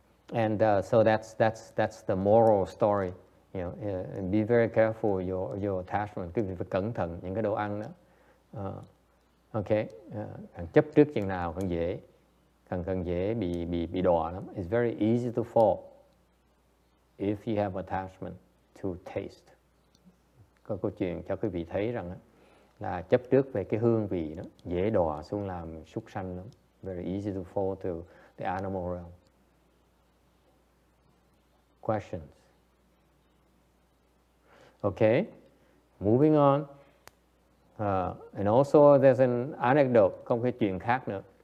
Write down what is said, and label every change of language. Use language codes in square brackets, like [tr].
[en] So that's the moral story. You know, be very careful your attachment. [vi] Quý vị phải cẩn thận những cái đồ ăn đó. Càng chấp trước chừng nào càng dễ, càng dễ bị đọa lắm. [en] It's very easy to fall if you have attachment to taste. [vi] Có câu chuyện cho quý vị thấy rằng là chấp trước về cái hương vị đó dễ đọa xuống làm súc sanh lắm. [en] Very easy to fall to the animal realm. Questions? Okay, moving on. And also there's an anecdote, [vi] không phải chuyện khác nữa.